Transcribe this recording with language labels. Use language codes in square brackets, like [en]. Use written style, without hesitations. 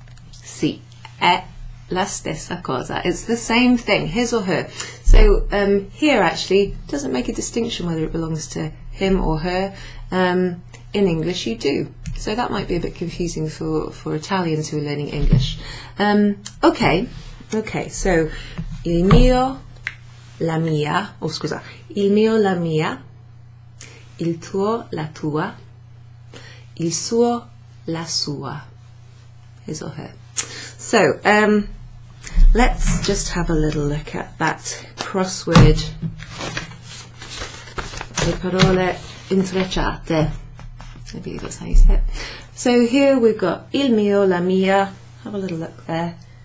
[it] Si. È la stessa cosa. [en] It's the same thing, his or her. So here actually doesn't make a distinction whether it belongs to him or her. In English you do. So that might be a bit confusing for Italians who are learning English. Okay, so il mio, la mia, oh scusa, il mio, la mia, il tuo, la tua, il suo, la sua, his or her. So, let's just have a little look at that crossword. [it] Le parole intrecciate. [en] I believe that's how you say it. So here we've got il mio, la mia. Have a little look there.